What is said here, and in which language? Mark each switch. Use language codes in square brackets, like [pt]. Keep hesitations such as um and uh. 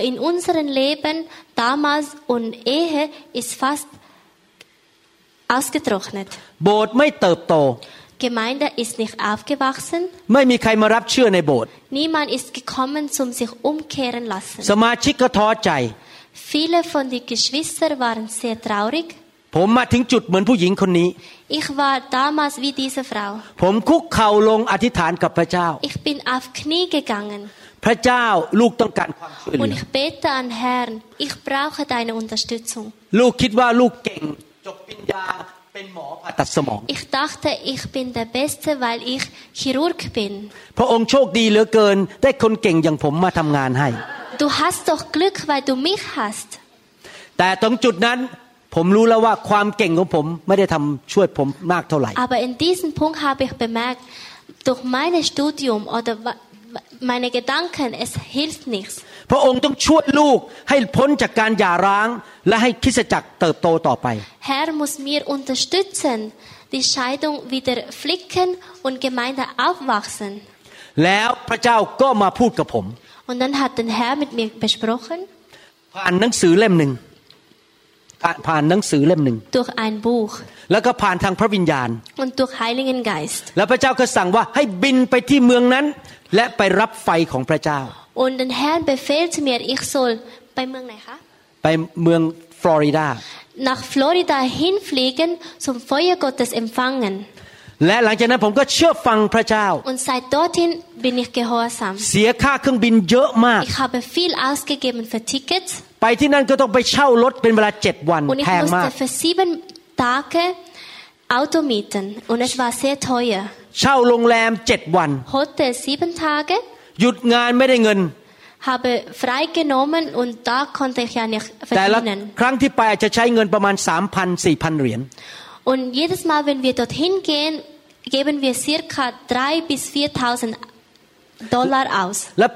[de] in unserem Leben damals und Ehe ist fast ausgetrocknet [th] โบสถ์ไม่เติบโต [de] Gemeinde ist nicht aufgewachsen [th] ไม่มีใครมารับเชื่อในโบสถ์ [de] niemand ist gekommen zum sich umkehren lassen [th] สม าชิกก็ท้อใจ [de] viele von die Geschwister waren sehr traurig [th] ผมมาถึงจุดเหมือนผู้หญิงคนนี้ [de] Ich war damals wie diese Frau [th] ผมคุกเข่าลงอธิษฐานกับพระเจ้า [de] Ich bin auf Knie gegangen [th] พระเจ้าลูกต้องการความช่วยเหลือ [de] Und ich bete an Herrn Ich brauche deine Unterstützung [th] ลูกคิดว่าลูกเก่งจบปริญญาเป็นหมอผ่าตัดสมอง [de] Ich dachte ich bin der beste weil ich Chirurg bin [th] พระองค์โชคดีเหลือเกินได้คนเก่งอย่างผมมาทํางานให้ [de] Du hast doch Glück weil du mich hast [th] แต่ตรงจุดนั้นผมรู้แล้วว่าความเก่งของผมไม่ได้ทำช่วยผมมากเท่าไหร่ [de] Aber in diesem Punkt habe ich bemerkt durch mein Studium oder meine Gedanken es hilft nichts [th] พระองค์ต้องช่วยลูกให้พ้นจากการหย่าร้าง และให้คริสจักรเติบโตต่อไป [de] Herr muss mir unterstützen die Scheidung wieder flicken und Gemeinde aufwachsen [th] แล้วพระเจ้าก็มาพูดกับผม [de] Und dann hat der Herr mit mir besprochen [th] ผ่านหนังสือเล่มหนึ่งผ่านหนังสือเล่มหนึ่ง [de] durch ein Buch [th] แล้วก็ผ่านทางพระวิญญาณ [de] und durch Heiligen Geist [th] แล้วพระเจ้าก็สั่งว่าให้บินไปที่เมืองนั้น และไปรับไฟของพระเจ้า [de] und den Herrn befehlt mir ich soll [th] ไปเมืองไหนคะ ไปเมืองฟลอริดา [de] nach Florida hinfliegen zum Feuer Gottes empfangen [th] และหลังจากนั้นผมก็เชื่อฟังพระเจ้า [de] Und seit dorthin bin ich gehorsam เ [th] สียค่าเครื่องบินเยอะมาก [de] Ich habe viel ausgegeben für Tickets [th] ไปที่นั่นก็ต้องไปเช่ารถเป็นเวลา 7 วันแพงมาก [de] Und ich musste für sieben Tage Auto mieten und es war sehr teuer [th] เช่าโรงแรม 7 วัน [de] Hotel sieben Tage [th] หยุดงานไม่ได้เงิน [de] habe freigenommen und da konnte ich ja nicht verdienen [th] แต่ละ ครั้งที่ไปอาจจะใช้เงินประมาณ3,000 4,000เหรียญ [de] Und jedes Mal, wenn wir dorthin gehen, geben wir circa 3 bis 4000 Dollar aus.